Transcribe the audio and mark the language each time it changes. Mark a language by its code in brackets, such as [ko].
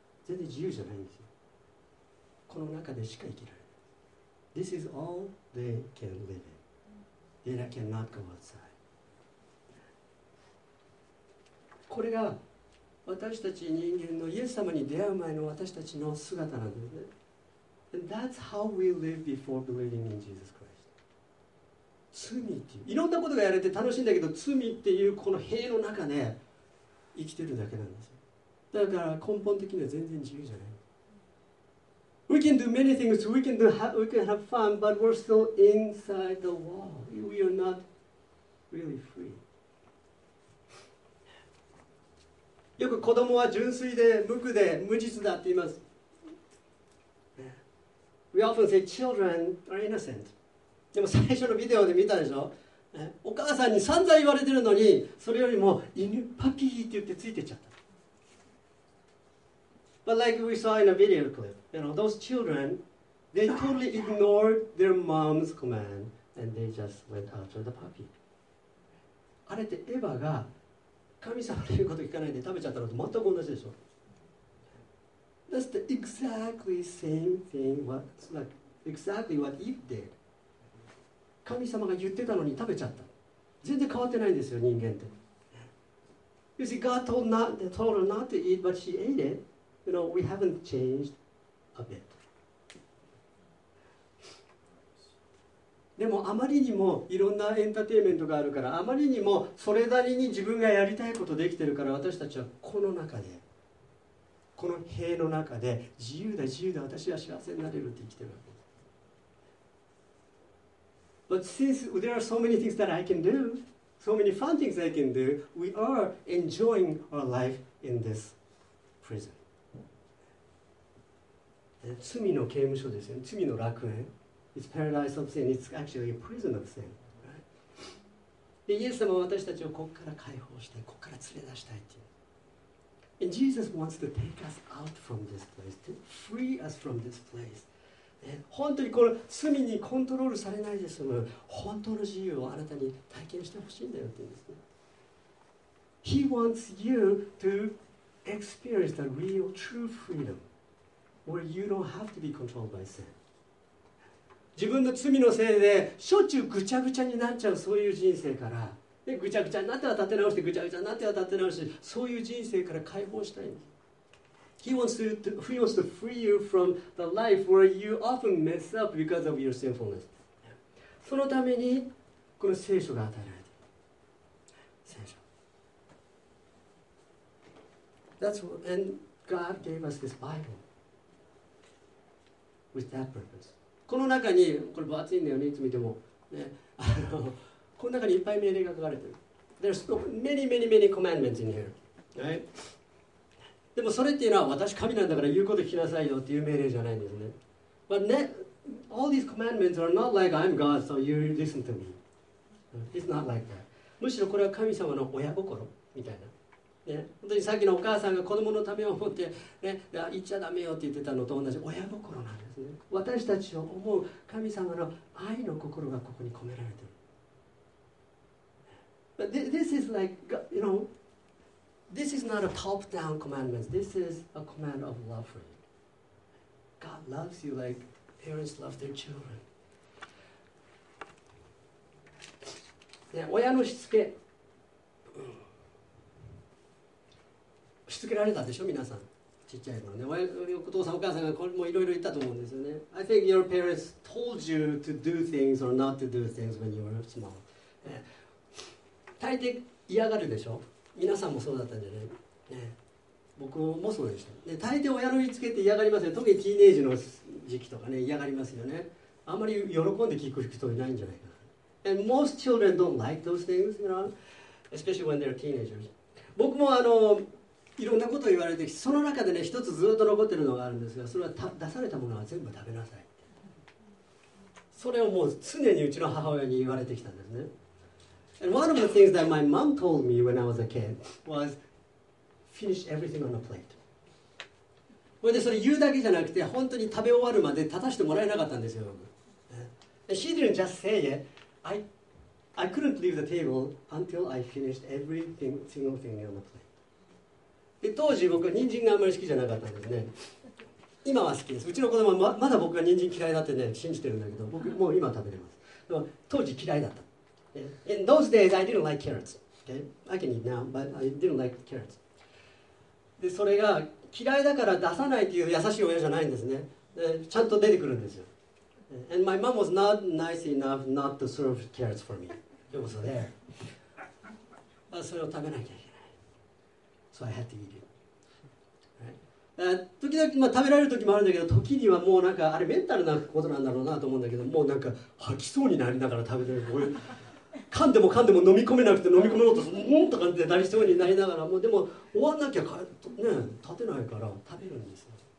[ja] 全然自由じゃないんですよ。この中でしか生きられない。 [en] This is all they can live in. They cannot go outside. [ja] これが私たち人間のイエス様に出会う前の私たちの姿なんですね。 [en] And that's how we live before believing in Jesus Christ. [ja] 罪っていう、いろんなことがやれて楽しいんだけど、罪っていうこの塀の中で生きてるだけなんですよ。だから根本的には全然自由じゃない。 [en] We can do many things, we can have fun, but we're still inside the wall. We are not really free. [ja] よく子供は純粋で無垢で無実だって言います。 [en] We often say children are innocent. [ja] でも最初のビデオで見たでしょ。お母さんに散々言われてるのに、それよりも犬パピーって言ってついてっちゃった。 [en] But like we saw in a video clip, you know, those children, they totally ignored their mom's command and they just went after the puppy. [ja] あれってエヴァが神様の言うこと聞かないで食べちゃったのと全く同じでしょ。 [en] That's the exactly same thing what, like, exactly what Eve did. [ja] 神様が言ってたのに食べちゃった。全然変わってないんですよ、人間って。 [en] You see, God told her not to eat, but she ate it. You know, we haven't changed a bit. [ja] でもあまりにもいろんなエンターテインメントがあるから、あまりにもそれなりに自分がやりたいことできてるから、私たちはこの中で、この塀の中で、自由だ自由だ、私は幸せになれるって生きてるわけです。 [en] But since there are so many things that I can do, so many fun things I can do, we are enjoying our life in this prison. [ja] 罪の刑務所ですよね。罪の楽園。 [en] It's paradise of sin. It's actually a prison of sin. [ja] で、イエス様は私たちをここから解放したい、ここから連れ出したいっていう。 [en] And Jesus wants to take us out from this place, to free us from this place. [ja] 本当にこの罪にコントロールされないで済む本当の自由をあなたに体験してほしいんだよって言うんですね。 [en] He wants you to experience the real true freedom, where you don't have to be controlled by sin. [ja] 自分の罪のせいでしょっちゅうぐちゃぐちゃになっちゃうそういう人生から、ね、ぐちゃぐちゃになっては立て直してぐちゃぐちゃになっては立て直してそういう人生から解放したいんです。 [en] He wants to free you from the life where you often mess up because of your sinfulness. [ja] そのためにこの聖書が与えられている。聖書。 [en] And God gave us this Bible with that purpose. [ja] この中にこれ分厚いんだよねいつ見てもねこの中にいっぱい命令が書かれている。 [en] There's many many many commandments in here, right? [ja] でもそれっていうのは私神なんだから言うこと聞きなさいよっていう命令じゃないんですね。 [en] But all these commandments are not like I'm God, so you listen to me. It's not like that. [ja] むしろこれは神様の親心みたいな。ね、本当にさっきのお母さんが子供のためを思って、ね、言っちゃダメよって言ってたのと同じ親心なんですね。私たちを思う神様の愛の心がここに込められている。 [en] But this is like, you know,This is not a top-down commandment. This is a command of love for you. God loves you like parents love their children. [ja] Yeah, 親のしつけ。しつけられたでしょ、皆さん。ちっちゃい頃ね。お父さん、お母さんがこれもいろいろ言ったと思うんですよね。 [en] I think your parents told you to do things or not to do things when you were small. [ja] 大抵嫌がるでしょ。皆さんもそうだったんじゃない、ね、僕もそうでした、ね、大抵親の言いつけって嫌がりますよ特にティーネージの時期とかね嫌がりますよねあんまり喜んで聞く人いないんじゃないかな [en] And most children don't like those things, you know? Especially when they're teenagers [ja] 僕もいろんなことを言われてその中でね一つずっと残ってるのがあるんですがそれは出されたものは全部食べなさいそれをもう常にうちの母親に言われてきたんですね [en] And one of the things that my mom told me when I was a kid was finish everything on a plate. [ja] これでそれ言うだけじゃなくて本当に食べ終わるまで立たせてもらえなかったんですよ。 [en] She didn't just say it. I couldn't leave the table until I finished everything, single thing on the plate. [ja] で当時僕は人参があんまり好きじゃなかったんですね。今は好きです。うちの子供は まだ僕が人参嫌いだってね信じてるんだけど、僕もう今食べれます。でも当時嫌いだった。 [en] In those days, I didn't like carrots. Okay, I can eat now, but I didn't like carrots. [ja] で、それが嫌いだから出さないという優しい親じゃないんですね。で、ちゃんと出てくるんですよ。 [en] And my mom was not nice enough not to serve carrots for me. It was there. [ja] それを食べなきゃいけない。 [en] So I had to eat it. Right? [ja] 時々、まあ、食べられる時もあるんだけど、時にはもうなんかあれメンタルなことなんだろうなと思うんだけど、もうなんか吐きそうになりながら食べてる。噛んでも噛んでも飲み込めなくて飲み込めようとするもんとかってなりそうになりながらもうでも終わんなきゃね立てないから食べるんですよ。